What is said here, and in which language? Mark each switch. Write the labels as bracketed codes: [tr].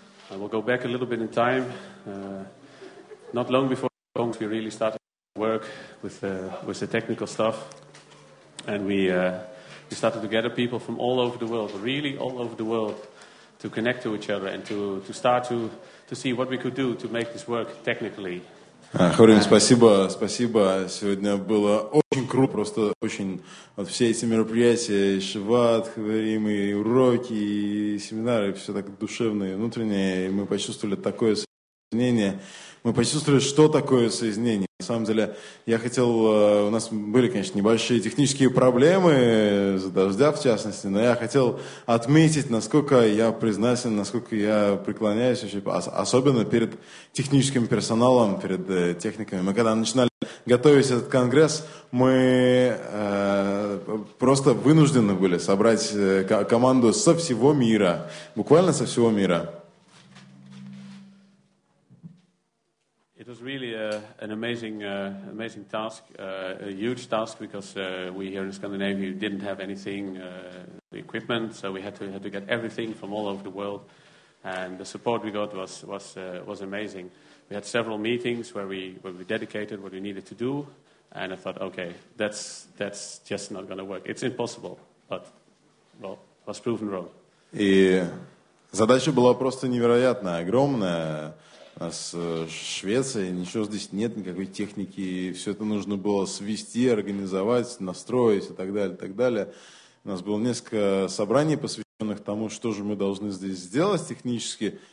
[en] I will go back a little bit in time. Not long before we really started work with the technical stuff, and we started to gather people from all over the world, really all over the world, to connect to each other and to start to see what we could do to make this work technically. [ru] Хорин, спасибо. Сегодня было очень круто, просто очень вот все эти мероприятия, и шиват, хаверим, и уроки, и семинары, все так душевные, внутренние, и мы почувствовали такое соединение. Мы почувствовали, что такое соединение. На самом деле, я хотел, у нас были, конечно, небольшие технические проблемы, за дождя в частности, но я хотел отметить, насколько я признателен, насколько я преклоняюсь, вообще, особенно перед техническим персоналом, перед техниками. Мы когда начинали готовить этот конгресс, мы просто вынуждены были собрать команду со всего мира, буквально со всего мира. [en] It was really an amazing task, a huge task, because we here in Scandinavia didn't have anything, the equipment, so we had to get everything from all over the world, and the support we got was amazing. We had several meetings where we dedicated what we needed to do, and I thought, okay, that's just not going to work. It's impossible, but, well, was proven wrong. [ru] И задача была просто невероятная, огромная. У нас Швеция, ничего здесь нет, никакой техники. Все это нужно было свести, организовать, настроить и так далее, и так далее. У нас было несколько собраний, посвященных тому, что же мы должны здесь сделать технически.